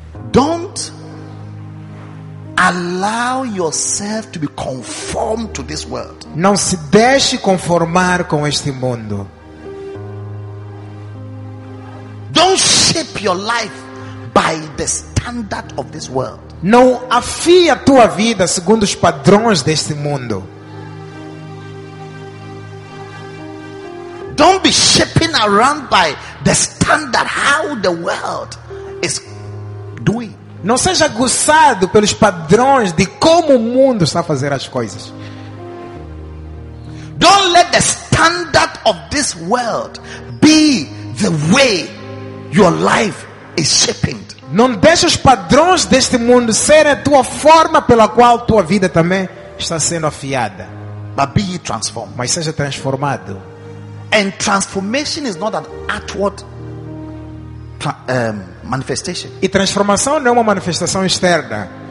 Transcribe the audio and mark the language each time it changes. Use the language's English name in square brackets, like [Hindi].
[English] Don't allow yourself to be conformed to this world. [Portuguese] Não se deixe conformar com este mundo. [English] Don't shape your life by the standard of this world. [Portuguese] Não afie a tua vida segundo os padrões deste mundo. [English] Don't be shaping around by the standard how the world is doing. [Portuguese] Não seja aguçado pelos padrões de como o mundo está a fazer as coisas. [English] Don't let the standard of this world be the way your life is shaped. [Portuguese] Não deixe os padrões deste mundo serem a tua forma pela qual tua vida também está sendo afiada. [English] But be ye transformed. [Portuguese] Mas seja transformado. [English] And transformation is not an outward manifestation. [Portuguese] E transformação não é uma manifestação externa.